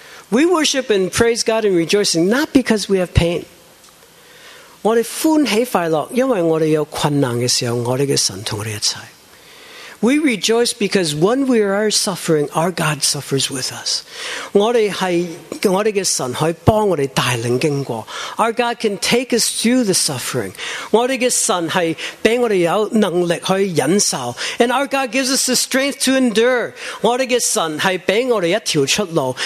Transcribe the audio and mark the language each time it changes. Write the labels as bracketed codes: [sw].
[en] We worship and praise God and rejoicing, not because we have pain. [zh] 我们欢喜快乐，因为我们有困难的时候，我们的神同我们一起. [en] We rejoice because when we are suffering, our God suffers with us. [zh] 我们是我们的神，可以帮我们带领经过. [en] Our God can take us through the suffering. [zh] 我们的神是给我们有能力去忍受. [en] And our God gives us the strength to endure. [zh] 我们的神是给我们一条出路.